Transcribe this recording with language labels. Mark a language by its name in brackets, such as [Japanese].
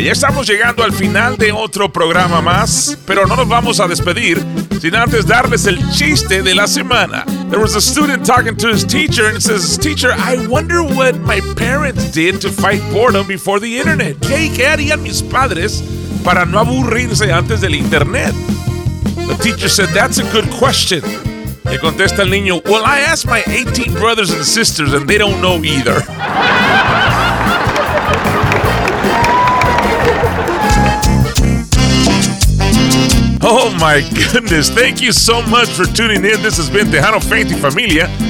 [Spanish] Ya estamos llegando al final de otro programa más, pero no nos vamos a despedir sin antes darles el chiste de la semana. [English] There was a student talking to his teacher and says, "Teacher, I wonder what my parents did to fight boredom before the internet. [Spanish] ¿Qué harían mis padres para no aburrirse antes del internet?" [English] The teacher said, "That's a good question." [Spanish] Le contesta el niño, [English] "Well, I asked my 18 brothers and sisters and they don't know either." Oh my goodness, thank you so much for tuning in. This has been Tejano Faith y Familia.